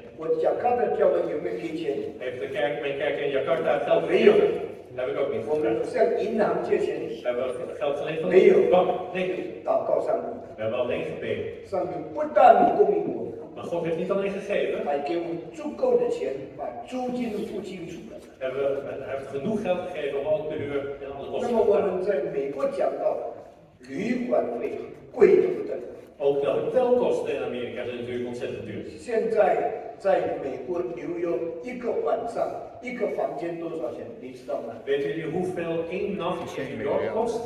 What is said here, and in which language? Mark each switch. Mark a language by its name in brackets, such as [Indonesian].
[Chinese] 我Jakarta教会有没有给钱？ [Dutch] Heeft de kerk, mijn kerk in Jakarta geld gekregen? [Chinese] 没有。 [Dutch] Heb ik ook niet. [Chinese] 我们向银行借钱。 [Dutch] Hebben we geld geleend van de bank? [Chinese] 没有。 [Dutch] Bank? Nee. [Chinese] 祷告上帝。 [Dutch] We hebben alleen gebeden. [Chinese] 上帝不但供应我。 [Dutch] Maar God heeft niet alleen gegeven. Hij geeft ons [Chinese] 足够的钱，把租金付清楚了。 [Dutch] Hij heeft genoeg geld gegeven om al de huur en alle kosten. [Chinese] 那么我们在美国讲到旅馆费贵得不得了。 [Dutch] Ook de hotelkosten in Amerika zijn natuurlijk ontzettend duur. [Chinese] 现在在美国纽约一个晚上一个房间多少钱？你知道吗？ [Dutch] Weet jullie hoeveel één nacht in New York kost?